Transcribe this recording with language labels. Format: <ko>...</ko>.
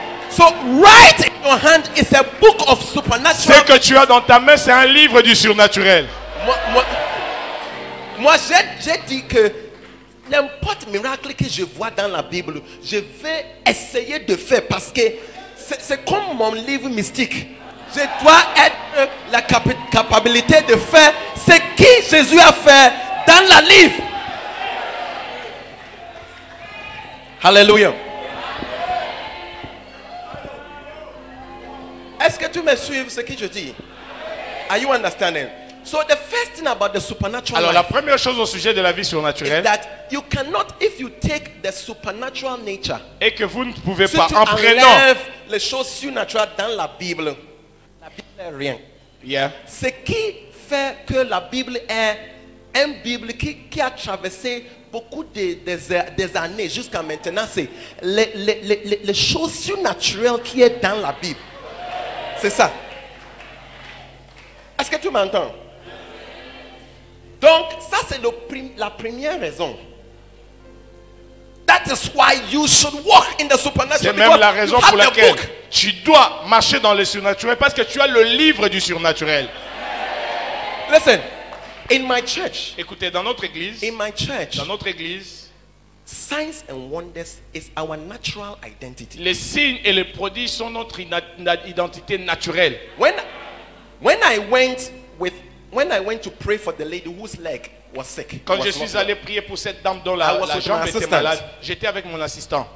<en>So, right in your hand is a book of supernatural.</en> <fr>Ce que tu as dans ta main, c'est un livre du surnaturel. Moi, j'ai dit que n'importe miracle que je vois dans la Bible, je vais essayer de faire parce que c'est comme mon livre mystique. Je dois être la capacité de faire ce que Jésus a fait dans la livre. Hallelujah. Est-ce que tu me suives ce que je dis?</fr> <en>Are you understanding? So the first thing about the supernatural.</en> <fr>Alors la première chose au sujet de la vie surnaturelle.</fr> <en>Is that you cannot, if you take the supernatural nature.</en> <fr>Et que vous ne pouvez si pas en prenant. Si tu enlèves les choses surnaturelles dans la Bible n'est rien.</fr> <en>Yeah.</en> <fr>Ce qui fait que la Bible est une Bible qui a traversé beaucoup des années jusqu'à maintenant, c'est les choses surnaturelles qui est dans la Bible. C'est ça. Est-ce que tu m'entends? Donc, ça c'est la première raison.</fr> <en>That is why you should walk in the supernatural.</en> <fr>C'est même la raison pour laquelle tu dois marcher dans le surnaturel parce que tu as le livre du surnaturel.</fr> <en>Listen, in my church.</en> <fr>Écoutez, dans notre église.</fr> <en>In my church.</en> <fr>Dans notre église.</fr> <en>Signs and wonders is our natural identity.</en> <fr>Les signes et les prodiges sont notre identité naturelle.</fr> <en>When I went with When I went to pray for the lady whose leg was sick,</en> <fr>quand je suis allé prier pour cette dame dont la jambe était malade, j'étais avec mon assistant.</fr>